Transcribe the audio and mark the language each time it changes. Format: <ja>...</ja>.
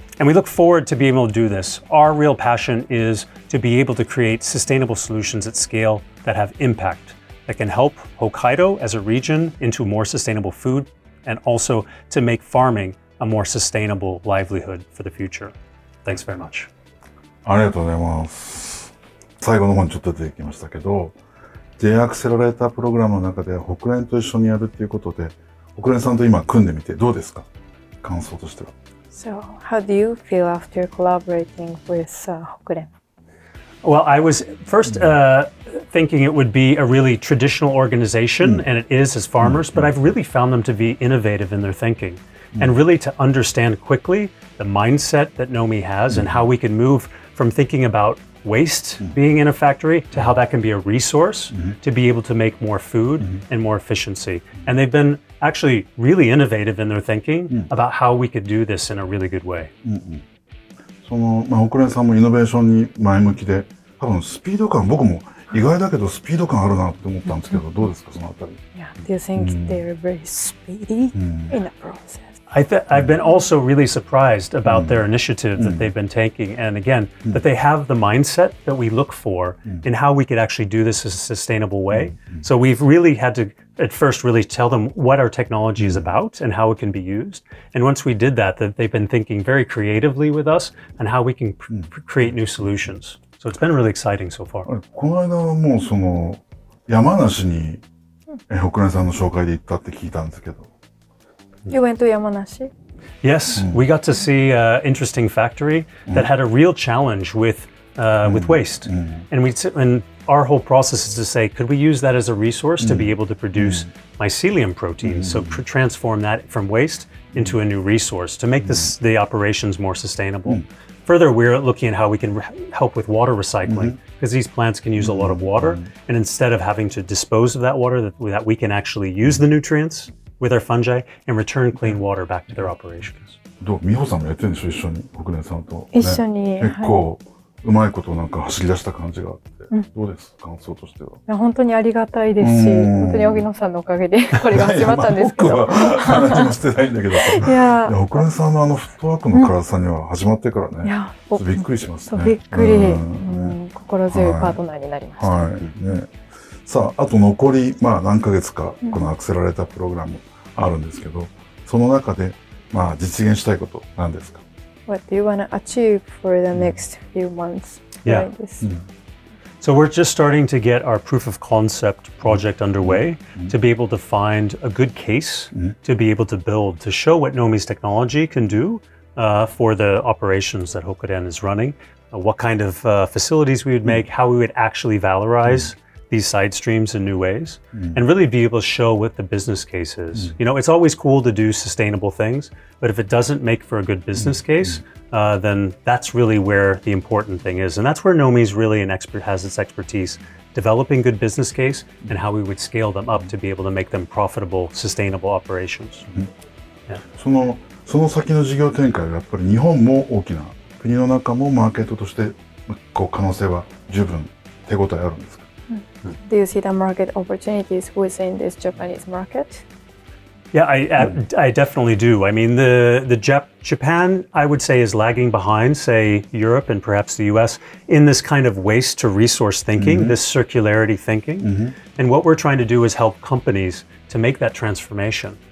<en>And we look forward to being able to do this. Our real passion is to be able to create sustainable solutions at scale that have impact, that can help Hokkaido as a region into more sustainable food, and also to make farming a more sustainable livelihood for the future. Thanks very much.</en> <ja>ありがとうございます。最後の方にちょっと出てきましたけど、J アクセラレータープログラムの中で北連と一緒にやるっていうことで、北連さんと今組んでみてどうですか？感想としては。</ja> <en>So, how do you feel after collaborating with Hokkaido? Well, I was first thinking it would be a really traditional organization, and it is as farmers, but I've really found them to be innovative in their thinking, and really to understand quickly the mindset that NoMy has and how we can move from thinking about waste being in a factory to how that can be a resource to be able to make more food and more efficiency. And they've been actually really innovative in their thinking about how we could do this in a really good way.</en> <ja>その、まあ、北連さんもイノベーションに前向きで、多分スピード感、僕も意外だけどスピード感あるなって思ったんですけど、どうですか、そのあたり。</ja> <en>Yeah, do you think they're very speedy in the process? I've been also really surprised about their initiative that they've been taking, and again, that they have the mindset that we look for in how we could actually do this in a sustainable way. So we've really had to, at first, really tell them what our technology is about and how it can be used. And once we did that, that they've been thinking very creatively with us and how we can create new solutions. So it's been really exciting so far.</en> <ja>この間はもうその山梨に北連さんの紹介で行ったって聞いたんですけど。</ja> <en>You went to Yamanashi? Yes, we got to see an interesting factory that had a real challenge with waste. And our whole process is to say, could we use that as a resource to be able to produce mycelium protein? So transform that from waste into a new resource to make the operations more sustainable. Further, we're looking at how we can help with water recycling, because these plants can use a lot of water. And instead of having to dispose of that water, that we can actually use the nutrients with our fungi and return clean water back to their operations.</en> <ja>どう、美穂さんもやってるんでしょ、一緒に、北連さんと、ね。一緒に。結構、うまいことなんか走り出した感じがあって、どうです、感想としては。いや、本当にありがたいですし、本当に荻野さんのおかげで、これが始まったんですけど。いやいや、まあ、僕は話もしてないんだけど。いや、北連さんのあのフットワークの体さには始まってからね、びっくりしますね。びっくり。心強いパートナーになりました。はい。はいね、さあ、あと残り、まあ、何ヶ月か、このアクセラレータープログラム。あるんですけど、その中で、まあ、実現したいこと、何ですか?</ja> <en>What do you want to achieve for the next few months? Yeah. Like this? So we're just starting to get our proof of concept project underway to be able to find a good case to be able to build, to show what NoMy's technology can do for the operations that Hokkaido is running, what kind of facilities we would make, how we would actually valorize these side streams in new ways, and really be able to show what the business case is. You know, it's always cool to do sustainable things, but if it doesn't make for a good business case, then that's really where the important thing is. And that's where NoMy's really an expert, has its expertise, developing good business case and how we would scale them up to be able to make them profitable, sustainable operations.</en> <ja>その先の事業展開はやっぱり日本も大きな国の中もマーケットとして可能性は十分手応えあるんですか?</ja> <en>Do you see the market opportunities within this Japanese market? Yeah, I definitely do. I mean, Japan, I would say, is lagging behind, say, Europe and perhaps the US in this kind of waste to resource thinking, this circularity thinking. And what we're trying to do is help companies to make that transformation,</en>